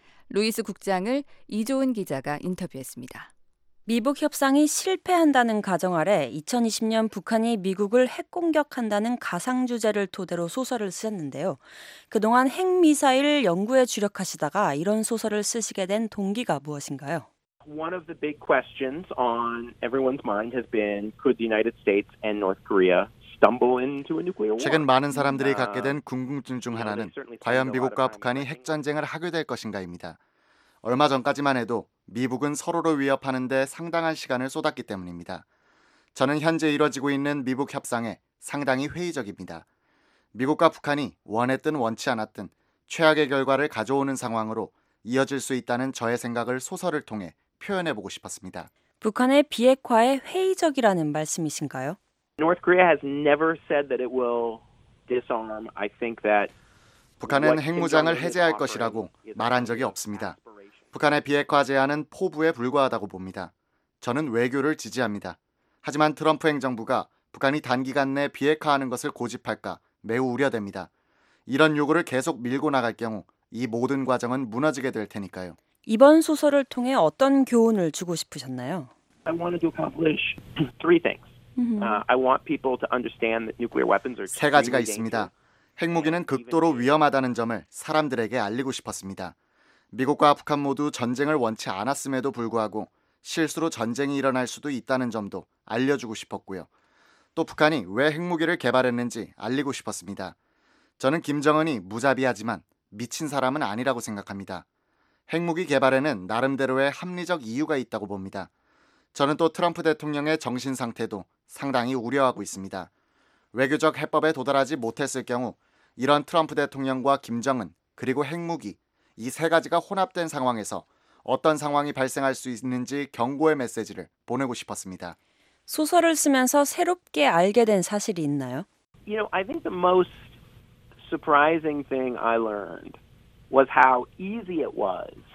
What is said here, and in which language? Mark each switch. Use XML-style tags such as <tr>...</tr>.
<ko>루이스 국장을 이조은 기자가 인터뷰했습니다. 미북 협상이 실패한다는 가정 아래 2020년 북한이 미국을 핵공격한다는 가상주제를 토대로 소설을 쓰셨는데요. 그동안 핵미사일 연구에 주력하시다가 이런 소설을 쓰시게 된 동기가 무엇인가요?</ko> <en>One of the big questions on everyone's mind has been, could the United States and North Korea</en> <ko>최근 많은 사람들이 갖게 된 궁금증 중 하나는 과연 미국과 북한이 핵전쟁을 하게 될 것인가입니다. 얼마 전까지만 해도 미북은 서로를 위협하는 데 상당한 시간을 쏟았기 때문입니다. 저는 현재 이뤄지고 있는 미북 협상에 상당히 회의적입니다. 미국과 북한이 원했든 원치 않았든 최악의 결과를 가져오는 상황으로 이어질 수 있다는 저의 생각을 소설을 통해 표현해보고 싶었습니다. 북한의 비핵화에 회의적이라는 말씀이신가요?</ko> <en>North Korea has never said that it will disarm. I think that</en> <ko>북한은 핵무장을 해제할 것이라고 말한 적이 없습니다. 북한의 비핵화 제안은 포부에 불과하다고 봅니다. 저는 외교를 지지합니다. 하지만 트럼프 행정부가 북한이 단기간 내 비핵화하는 것을 고집할까 매우 우려됩니다. 이런 요구를 계속 밀고 나갈 경우 이 모든 과정은 무너지게 될 테니까요. 이번 소설을 통해 어떤 교훈을 주고 싶으셨나요?</ko> <en>I wanted to accomplish three things. I want people to understand that nuclear weapons are</en> <ko>세 가지가 있습니다. 핵무기는 극도로 위험하다는 점을 사람들에게 알리고 싶었습니다. 미국과 북한 모두 전쟁을 원치 않았음에도 불구하고 실수로 전쟁이 일어날 수도 있다는 점도 알려주고 싶었고요. 또 북한이 왜 핵무기를 개발했는지 알리고 싶었습니다. 저는 김정은이 무자비하지만 미친 사람은 아니라고 생각합니다. 핵무기 개발에는 나름대로의 합리적 이유가 있다고 봅니다. 저는 또 트럼프 대통령의 정신 상태도 상당히 우려하고 있습니다. 외교적 해법에 도달하지 못했을 경우 이런 트럼프 대통령과 김정은 그리고 핵무기 이 세 가지가 혼합된 상황에서 어떤 상황이 발생할 수 있는지 경고의 메시지를 보내고 싶었습니다. 소설을 쓰면서 새롭게 알게 된 사실이 있나요?</ko> <en>You know, I think the most surprising thing I learned was how easy it was.</en>